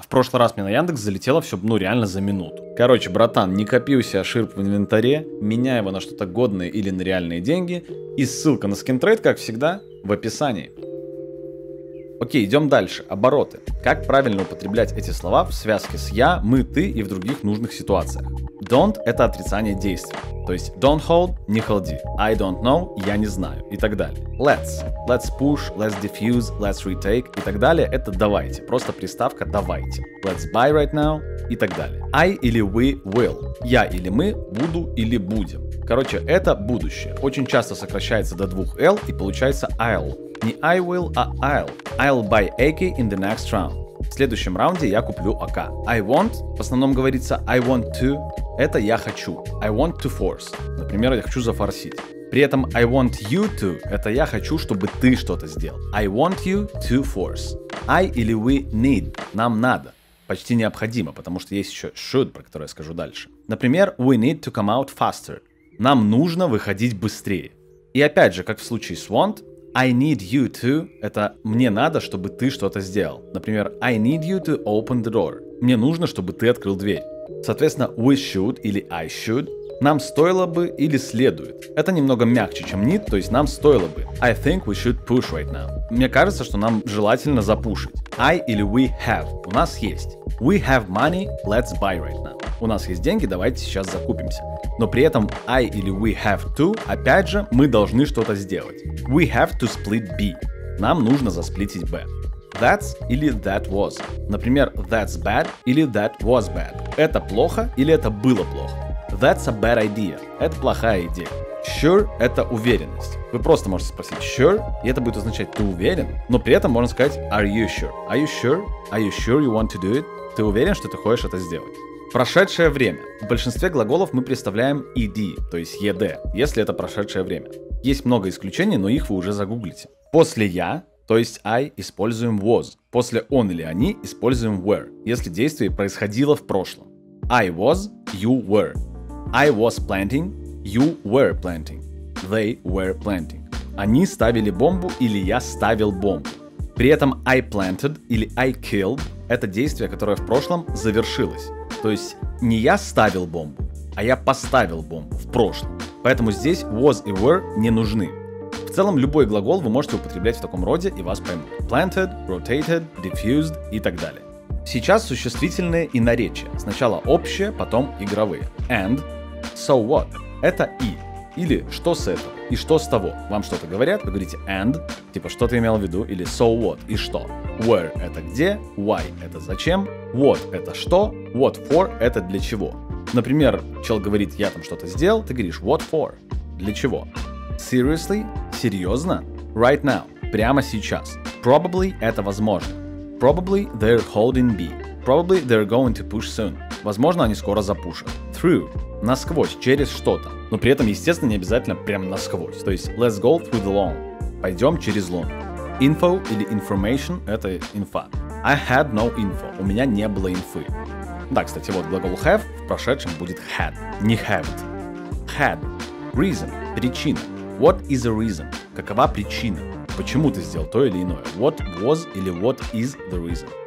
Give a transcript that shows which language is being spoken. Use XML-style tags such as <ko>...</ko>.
<ru>В прошлый раз мне на Яндекс залетело все, ну реально за минуту. Короче, братан, не копи у себя ширп в инвентаре, меняй его на что-то годное или на реальные деньги, и ссылка на скинтрейд, как всегда, в описании. Окей, идем дальше. Обороты. Как правильно употреблять эти слова в связке с «я», «мы», «ты» и в других нужных ситуациях? Don't – это отрицание действия. То есть</ru> <en>don't hold</en> <ru>– не холди.</ru> <en>I don't know –</en> <ru>я не знаю. И так далее.</ru> <en>Let's – let's push, let's diffuse, let's retake.</en> <ru>И так далее – это давайте. Просто приставка «давайте».</ru> <en>Let's buy right now.</en> <ru>И так далее.</ru> <en>I или we will.</en> <ru>Я или мы буду или будем. Короче, это будущее. Очень часто сокращается до двух L и получается I'll.</ru> <en>Не I will, а I'll. I'll buy AK in the next round.</en> <ru>В следующем раунде я куплю АК. I want, в основном говорится</ru> <en>I want to,</en> <ru>это я хочу.</ru> <en>I want to force,</en> <ru>например, я хочу зафорсить. При этом</ru> <en>I want you to,</en> <ru>это я хочу, чтобы ты что-то сделал.</ru> <en>I want you to force.</en> <ru>I или we need, нам надо. Почти необходимо, потому что есть еще should, про которое я скажу дальше.</ru> <en>Например, we need to come out faster.</en> <ru>Нам нужно выходить быстрее. И опять же, как в случае с want,</ru> <en>I need you to</en> <ru>– это мне надо, чтобы ты что-то сделал.</ru> <en>Например, I need you to open the door.</en> <ru>Мне нужно, чтобы ты открыл дверь. Соответственно, we should или I should – нам стоило бы или следует. Это немного мягче, чем need, то есть нам стоило бы.</ru> <en>I think we should push right now.</en> <ru>Мне кажется, что нам желательно запушить.</ru> <en>I или we have</en> <ru>– у нас есть.</ru> <en>We have money, let's buy right now.</en> <ru>У нас есть деньги, давайте сейчас закупимся. Но при этом I или we have to, опять же, мы должны что-то сделать.</ru> <en>We have to split B.</en> <ru>Нам нужно засплитить B.</ru> <en>That's или that was. Например, that's bad или that was bad.</en> <ru>Это плохо или это было плохо.</ru> <en>That's a bad idea.</en> <ru>Это плохая идея. Sure – это уверенность. Вы просто можете спросить sure, и это будет означать ты уверен. Но при этом можно сказать</ru> <en>are you sure? Are you sure? Are you sure you want to do it?</en> <ru>Ты уверен, что ты хочешь это сделать? Прошедшее время. В большинстве глаголов мы представляем ed, то есть ed, если это прошедшее время. Есть много исключений, но их вы уже загуглите. После я, то есть I, используем was. После он или они используем were, если действие происходило в прошлом.</ru> <en>I was, you were. I was planting, you were planting. They were planting.</en> <ru>Они ставили бомбу или я ставил бомбу. При этом</ru> <en>I planted или I killed</en> <ru>– это действие, которое в прошлом завершилось. То есть не я ставил бомбу, а я поставил бомбу в прошлом. Поэтому здесь was и were не нужны. В целом любой глагол вы можете употреблять в таком роде и вас поймут.</ru> <en>Planted, rotated, diffused</en> <ru>и так далее. Сейчас существительные и наречия. Сначала общие, потом игровые.</ru> <en>And, so what?</en> <ru>Это и. Или что с этого? И что с того? Вам что-то говорят, вы говорите and, типа что ты имел в виду, или so what, и что? Where – это где, why – это зачем, what – это что, what for – это для чего. Например, чел говорит, я там что-то сделал, ты говоришь what for – для чего. Seriously – серьезно? Right now – прямо сейчас. Probably – это возможно.</ru> <en>Probably – they're holding B. Probably – they're going to push soon.</en> <ru>Возможно, они скоро запушат. Through – насквозь, через что-то. Но при этом, естественно, не обязательно прям насквозь. То есть</ru> <en>let's go through the lawn.</en> <ru>Пойдем через лун. Info или information – это инфа.</ru> <en>I had no info.</en> <ru>У меня не было инфы. Да, кстати, вот глагол have в прошедшем будет had, не have it.</ru> <en>Had.</en> <ru>Reason – причина.</ru> <en>What is a reason?</en> <ru>Какова причина? Почему ты сделал то или иное?</ru> <en>What was или what is the reason?</en>